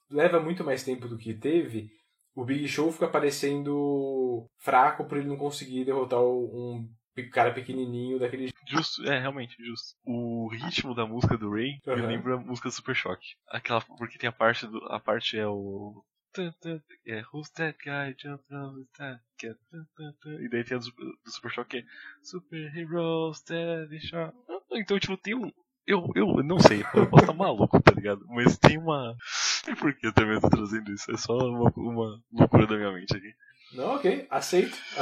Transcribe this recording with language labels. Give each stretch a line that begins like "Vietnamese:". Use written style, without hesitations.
Portuguese: Leva muito mais tempo do que teve. O Big Show fica parecendo fraco por ele não conseguir derrotar um cara pequenininho daquele jeito. Justo, é, realmente, justo. O ritmo da música do Ray, uhum, me lembra a música do Super Shock. Aquela, porque tem a parte é o...
English: É, who's that guy jumping on the top?
Portuguese: E daí tem a do Super Shock, que é... Super Hero, Steady Shot. Então, tipo, tem um... Eu não sei, eu posso estar maluco, tá ligado? Mas tem uma... E por que eu também tô trazendo isso? É só uma loucura da minha mente aqui. Não, ok. Aceito.